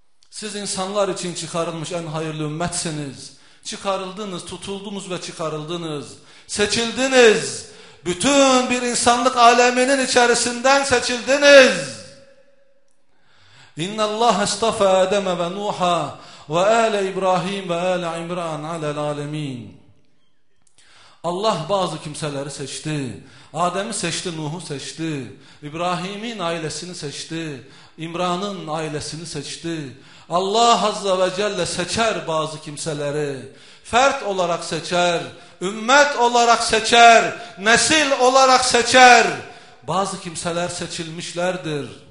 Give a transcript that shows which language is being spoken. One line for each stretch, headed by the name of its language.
Turkish: Siz insanlar için çıkarılmış en hayırlı ümmetsiniz. Çıkarıldınız, tutuldunuz ve çıkarıldınız. Seçildiniz. Bütün bir insanlık aleminin içerisinden seçildiniz.
Arabic: اِنَّ اللّٰهَ اَسْتَفَى اَدَمَ وَنُوحَا وَاَلَ اِبْرَٰهِيمَ وَاَلَ اِمْرَانَ عَلَى الْعَالَم۪ينَ
Turkish: Allah bazı kimseleri seçti. Adem'i seçti, Nuh'u seçti. İbrahim'in ailesini seçti. İmran'ın ailesini seçti. Allah Azze ve Celle seçer bazı kimseleri. Fert olarak seçer. Ümmet olarak seçer. Nesil olarak seçer. Bazı kimseler seçilmişlerdir.